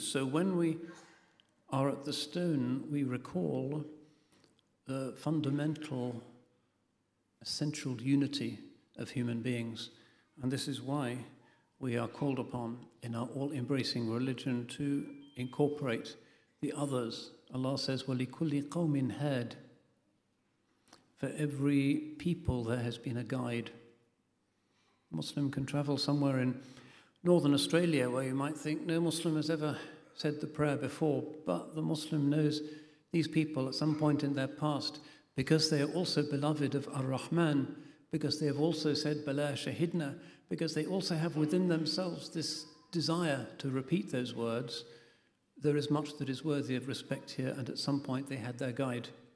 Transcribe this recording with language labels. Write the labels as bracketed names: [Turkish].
[English] So when we are at the stone, we recall the fundamental, essential unity of human beings. And this is why we are called upon in our all-embracing religion to incorporate the others. Allah says, [Arabic] وَلِكُلِّ قَوْمٍ هَادٍ. [English] For every people there has been a guide. A Muslim can travel somewhere in northern Australia where you might think no Muslim has ever said the prayer before, but the Muslim knows these people at some point in their past, because they are also beloved of Ar-Rahman, because they have also said [Arabic] Bala Shahidna, [English] because they also have within themselves this desire to repeat those words, there is much that is worthy of respect here, and at some point they had their guide.